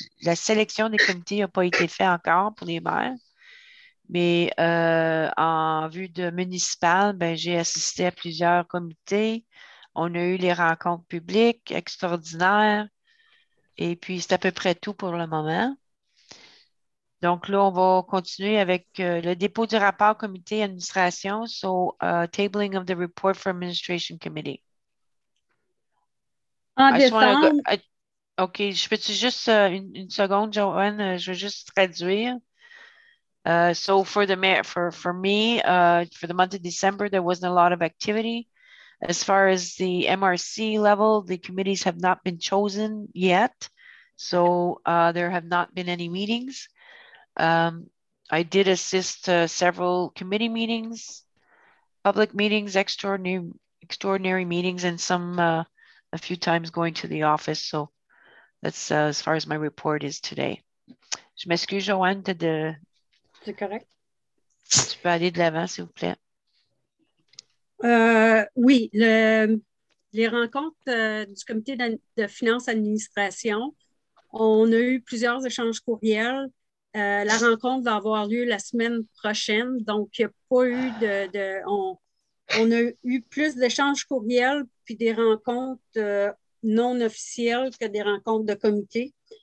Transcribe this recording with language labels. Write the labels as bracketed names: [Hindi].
[French] La sélection des comités n'a pas été faite encore pour les maires. Mais en vue de municipal, ben, j'ai assisté à plusieurs comités. On a eu les rencontres publiques extraordinaires. Et puis, c'est à peu près tout pour le moment. Donc là, on va continuer avec le dépôt du rapport comité administration. [English] So, tabling of the report for administration committee. [French] En décembre. OK, je peux-tu juste une seconde, Joanne? Je veux juste traduire. [English] So for the for the month of December, there wasn't a lot of activity. As far as the MRC level, the committees have not been chosen yet. So there have not been any meetings. I did assist several committee meetings, public meetings, extraordinary meetings, and some a few times going to the office. So that's as far as my report is today. [French] Je m'excuse, Joanne, de... C'est correct. Tu peux aller de l'avant, s'il vous plaît. Oui, les rencontres du comité de finances administration, on a eu plusieurs échanges courriels. La rencontre va avoir lieu la semaine prochaine, donc il n'y a pas eu de on a eu plus d'échanges courriels puis des rencontres non officielles que des rencontres de comité.